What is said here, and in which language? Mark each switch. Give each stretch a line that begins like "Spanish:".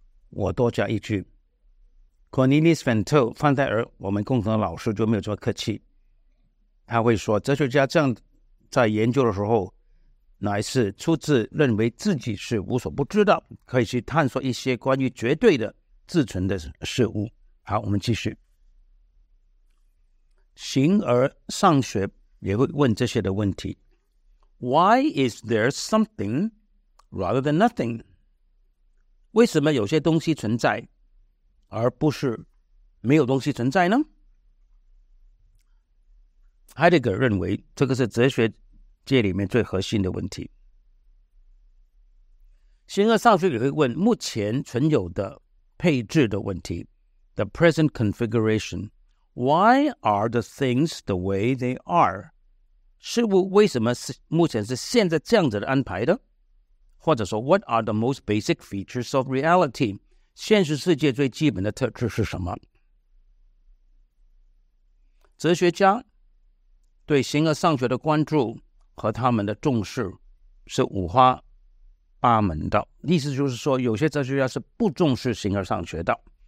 Chinese: 我多加一句，Cornelius Van Til 范戴尔，我们共同的老师，就没有这么客气。他会说，哲学家这样在研究的时候，乃是出自认为自己是无所不知的，可以去探索一些关于绝对的自存的事物。好，我们继续。形而上学也会问这些的问题 ：
English: Why is there something rather than nothing？
Chinese: 为什么有些东西存在？而不是没有东西存在呢？海德格尔认为这个是哲学界里面最核心的问题。形而上学也会问目前存有的配置的问题
English: The present configuration. Why are the things the way they are?
Chinese: 事物为什么是目前是现在这样子的安排的？或者说
English: What are the most basic features of reality?
Chinese: 现实世界最基本的特质是什么？哲学家对形而上学的关注和他们的重视是五花八门的。意思就是说，有些哲学家是不重视形而上学的。